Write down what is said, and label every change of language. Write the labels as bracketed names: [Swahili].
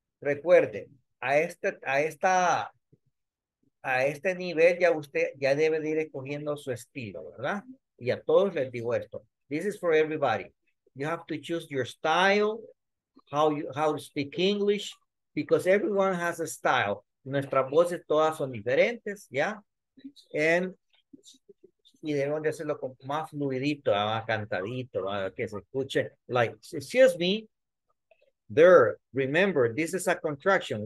[Spanish] Recuerde, a este nivel ya usted ya debe de ir escogiendo su estilo, ¿verdad? Y a todos les digo esto. [English] This is for everybody. You have to choose your style, how to speak English, because everyone has a style. [Spanish] Nuestras voces todas son diferentes, ¿ya? Y debemos de hacerlo con más fluidito, más cantadito, ¿verdad? Que se escuche. [English] Like, excuse me, there, remember, this is a contraction.